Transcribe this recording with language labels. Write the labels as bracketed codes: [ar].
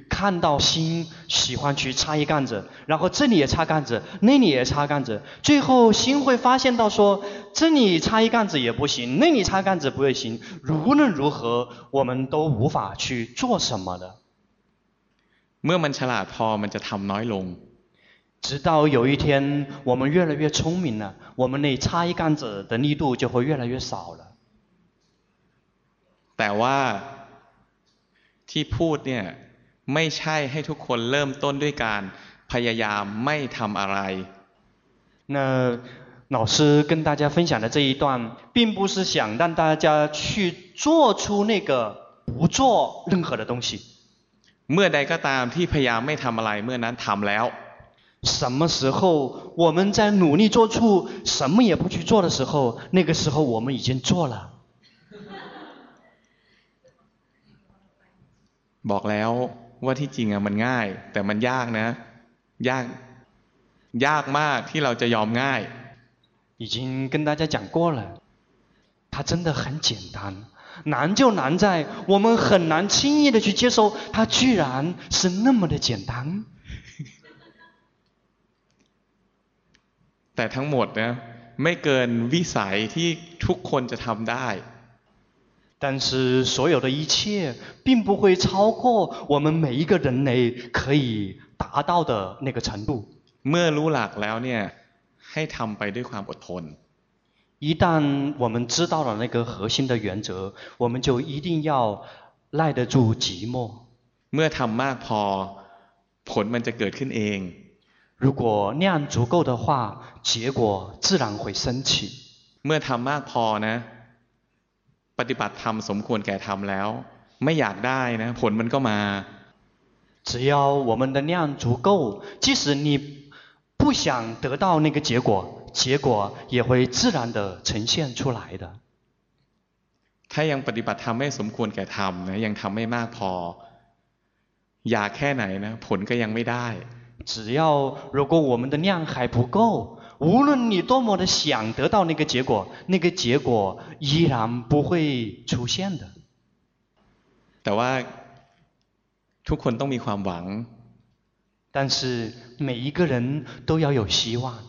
[zh] 看到心喜欢去擦一杆子，然后这里也擦杆子，那里也擦杆子，最后心会发现到说，这里擦一杆子也不行，那里擦杆子不会行，无论如何我们都无法去做什么的。 [th] เมื่อมันฉลาดพอมันจะทำน้อยลง [zh] 直到有一天我们越来越聪明了，我们那擦一杆子的力度就会越来越少了。 [th] แต่ว่าที่พูดเนี่ยไม่ใช่ให้ทุกคนเริ่มต้นด้วยการพยายามไม่ทำอะไร [zh] 那老师跟大家分享的这一段并不是想让大家去做出那个不做任何的东西 [th] เมื่อใดก็ตามที่พยายามไม่ทำอะไรเมื่อนั้นทำแล้ว [zh] 什么时候我们在努力做出什么也不去做的时候那个时候我们已经做了 [th] บอกแล้วว่าที่จริงอ่ะมันง่ายแต่มันยากนะยากยากมากที่เราจะยอมง่าย [zh] 已经跟大家讲过了它真的很简单难就难在我们很难轻易的去接受它居然是那么的简单 [th] แต่ทั้งหมดนะไม่เกินวิสัยที่ทุกคนจะทำได้ [zh] 但是所有的一切并不会超过我们每一个人类可以达到的那个程度 [th] เมื่อรู้หลักแล้วเนี่ยให้ทำไปด้วยความอดทน [zh] 一旦我们知道了那个核心的原则我们就一定要耐得住寂寞 [th] เมื่อทำมากพอผลมันจะเกิดขึ้นเอง [zh] 如果量足够的话结果自然会升起 [th] เมื่อทำมากพอนะปฏิบัติธรรมสมควรแก่ธรรมแล้วไม่อยากได้นะผลมันก็มา [zh] 只要我们的量足够即使你不想得到那个结果结果也会自然的呈现出来的 [th] ถ้ายังปฏิบัติธรรมไม่สมควรแก่ธรรมนะยังทำไม่มากพออยากแค่ไหนนะผลก็ยังไม่ได้ [zh] 只要如果我们的量还不够无论你多么的想得到那个结果那个结果依然不会出现的 [th] แต่ว่าทุกคนต้องมีความหวัง [zh] 但是每一个人都要有希望